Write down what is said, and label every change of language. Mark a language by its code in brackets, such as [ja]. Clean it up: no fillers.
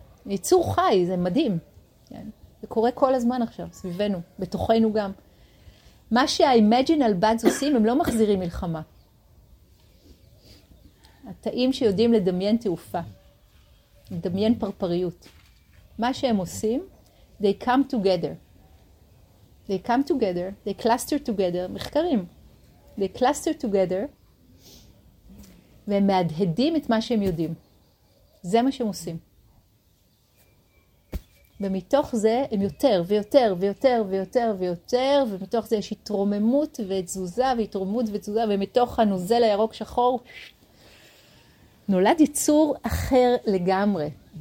[he] ייצור חי, זה מדהים. זה קורה כל הזמן עכשיו, סביבנו, בתוכנו גם. מה שה-imaginal buds עושים, הם לא מחזירים מלחמה. התאים שיודעים לדמיין תעופה, לדמיין פרפריות. מה שהם עושים, [en] they come together. They come together, they cluster together, [he] מחקרים. [en] They cluster together, [he] והם מהדהדים את מה שהם יודעים. זה מה שהם עושים. ומתוך זה הם יותר ויותר ויותר ויותר ויותר, ומתוך זה יש התרוממות ותזוזה, והתרוממות ותזוזה, ומתוך הנוזל הירוק שחור, נולד יצור אחר לגמרי.